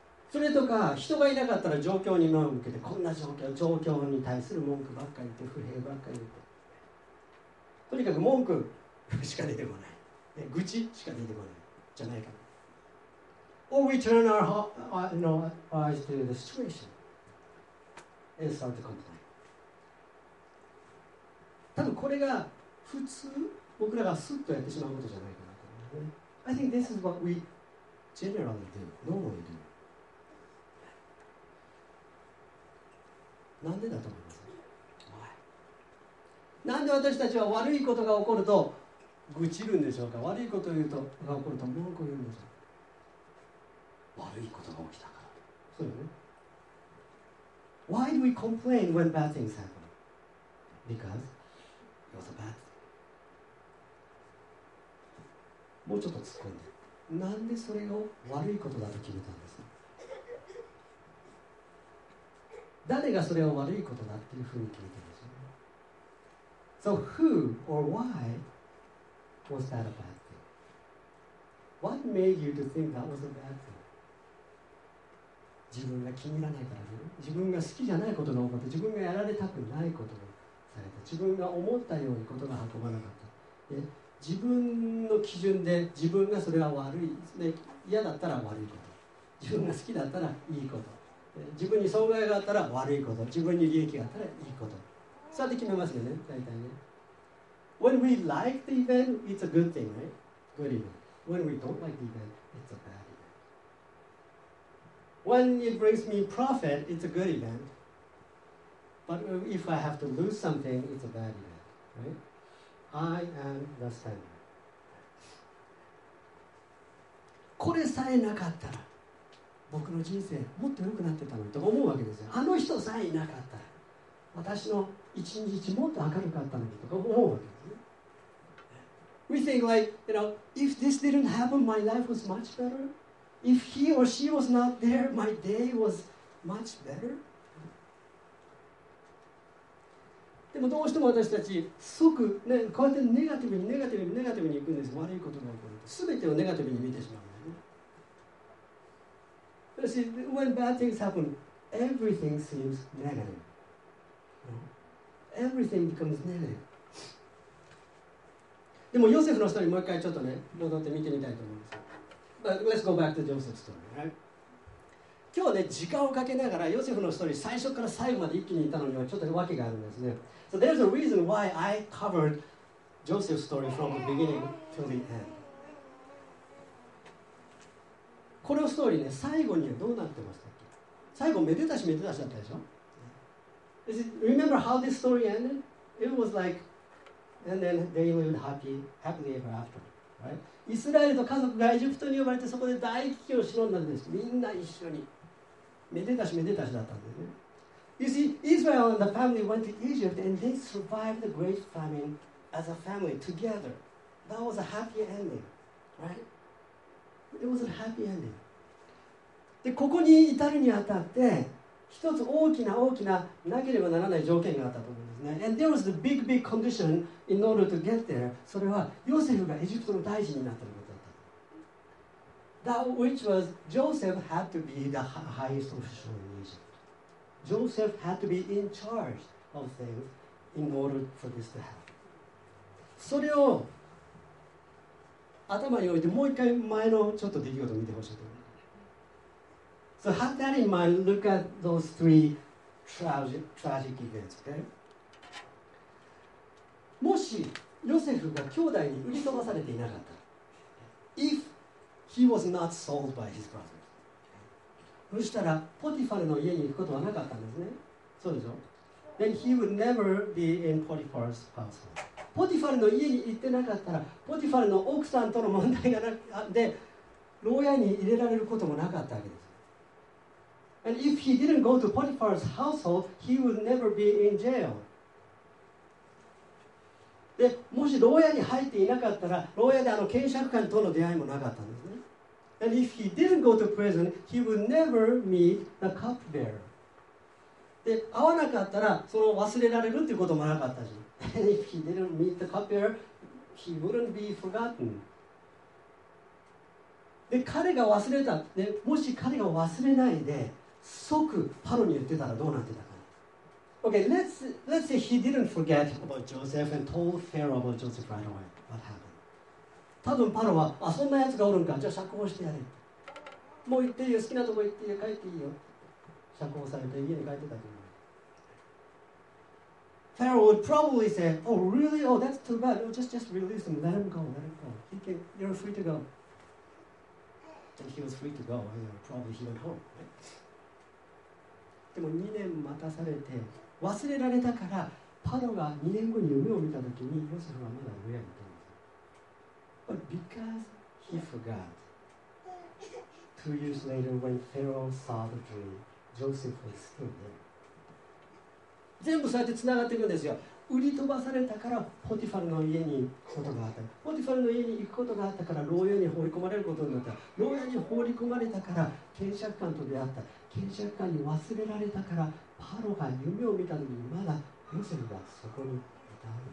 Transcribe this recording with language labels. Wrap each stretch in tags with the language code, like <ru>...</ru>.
<ja>それとか、人がいなかったら状況に目を向けて、こんな状況に対する文句ばっかり言って、不平ばっかり言って。とにかく文句しか出てこない。ね、愚痴しか出てこない。じゃないか。</ja> <en>Or we turn our eyes to the situation and start to complain.</en> <ja>多分これが普通、僕らがスッとやってしまうことじゃないかなと思う、ね。</ja> <en>I think this is what we generally do, normally do.</en> <ja>なんでだと思います？</ja> <en>Why?</en> <ja>なんで私たちは悪いことが起こると愚痴るんでしょうか？悪いことを言うとが起こると文句を言うんでしょうか？悪いことが起きたから。そうだね。</ja> <en>Why do we complain when bad things happen? Because it was a bad thing.</en> <ja>もうちょっと突っ込んで。なんでそれを悪いことだと決めたんですか？誰がそれを悪いことだっていうふうに決めたんですか？</ja> <en>So who or why was that a bad thing? What made you to think that was a bad thing?</en> <ja>自分が気に入らないからね、自分が好きじゃないことが起こって、自分がやられたくないことがされた、自分が思ったようにことが運ばなかった、で自分の基準で自分がそれは悪いで、嫌だったら悪いこと、自分が好きだったらいいこと、自分に損害があったら悪いこと、自分に利益があったらいいこと、そうやって決めますよね、大体ね。</ja> <en>When we like the event, it's a good thing, right? Good event. When we don't like the event, it's a bad event. When it brings me profit, it's a good event. But if I have to lose something, it's a bad event, right? I am the sender.</en> <ja>これさえなかったら、僕の人生もっと良くなってたのにと思うわけですよ。あの人さえいなかったら、私の一日もっと明るかったのにとか思うわけですよ。</ja> <en>We think like, you know, if this didn't happen, my life was much better. If he or she was not there, my day was much better.</en> <ja>でもどうしても私たち即、ね、こうやってネガティブに行くんです。悪いことが起こると。すべてをネガティブに見てしまうんですね。</ja> <en>See, when bad things happen, everything seems negative. Everything becomes negative.</en> <ja>でもヨセフの人にもう一回ちょっとね、戻って見てみたいと思います。</ja> <en>But let's go back to Joseph's story, right?</en> <ja>今日ね、時間をかけながらヨセフのストーリー最初から最後まで一気に言ったのにはちょっと訳があるんですね。</ja> <en>So there's a reason why I covered Joseph's story from the beginning to the end.</en> <ja>このストーリーね、最後にはどうなってましたっけ？最後めでたしめでたしだったでしょ？</ja> <en>Is it, remember how this story ended? It was like, and then they lived happily ever after, right?</en> <ja>イスラエルと家族がエジプトに呼ばれてそこで大危機を忍んだんです。みんな一緒にめでたしめでたしだったんですね。</ja> <en>You see, Israel and the family went to Egypt and they survived the great famine as a family together. That was a happy ending, right? It was a happy ending.</en> <ja>で、ここに至るにあたって一つ大きな大きななければならない条件があったと思うんですね。</ja> <en>And there was a big, big condition in order to get there.</en> <ja>それはヨセフがエジプトの大臣になったことだった。</ja> <en>That which was Joseph had to be the highest official in Egypt. Joseph had to be in charge of things in order for this to happen.</en> <ja>それを頭に置いてもう一回前のちょっと出来事を見てほしいと思います。</ja> <en>So have that in mind, look at those three tragic events, okay?</en> <ja>もしヨセフが兄弟に売り飛ばされていなかったら、</ja> <en>If he was not sold by his brothers,</en> <ja>そしたらポティファルの家に行くことはなかったんですね。そうでしょ。</ja> <en>Then he would never be in Potiphar's household。</en> <ja>ポティファルの家に行ってなかったらポティファルの奥さんとの問題がなくて牢屋に入れられることもなかったわけです。</ja> <en>And if he didn't go to Potiphar's household, he would never be in jail。</en> <ja>でもし牢屋に入っていなかったら牢屋であの検察官との出会いもなかったんですね。</ja> <en>And if he didn't go to prison, he would never meet the cupbearer。</en> <ja>で会わなかったらその忘れられるっていうこともなかったし、</ja> <en>And if he didn't meet the cupbearer, he wouldn't be forgotten。</en> <ja>で彼が忘れた、ね、もし彼が忘れないで即パロに言ってたらどうなってたか。</ja> <en>Okay, let's say he didn't forget about Joseph and told Pharaoh about Joseph right away. What happened?</en> <ja>多分パロは、あ、そんなやつがおるんか、じゃあ釈放してやれ。もう行っていいよ、好きなとこ行っていいよ、帰っていいよ。釈放されて家に帰ってたと思う。</ja> <en>Pharaoh would probably say, oh, really? Oh, that's too bad. Oh, just release him. Let him go, let him go. He can, you're free to go. And he was free to go. And probably he went home, right?</en> <ja>でも2年待たされて忘れられたから、パロが2年後に夢を見たときにヨセフはまだ上にいたんです。</ja> <en>But because he forgot, 2 years later when Pharaoh saw the dream, Joseph was still there.</en> <ja>全部そうやってつながっていくんですよ。売り飛ばされたからポティファルの家に行くことがあった、ポティファルの家に行くことがあったから牢屋に放り込まれることになった、牢屋に放り込まれたから検察官と出会った、検察官に忘れられたからパロが夢を見たのにまだヨセフがそこにいた。</ja>